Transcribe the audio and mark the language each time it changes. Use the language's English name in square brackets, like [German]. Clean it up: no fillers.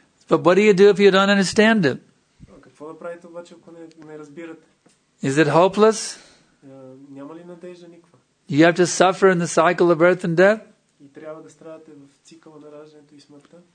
[English] But what do you do if you don't understand it? [Bulgarian] Какво да правите обаче, ако не разбирате? [English] Is it hopeless? [Bulgarian] Няма ли надежда никаква? [English] You have to suffer in the cycle of birth and death? [Bulgarian] И трябва да страдате в цикъла на раждането и смъртта?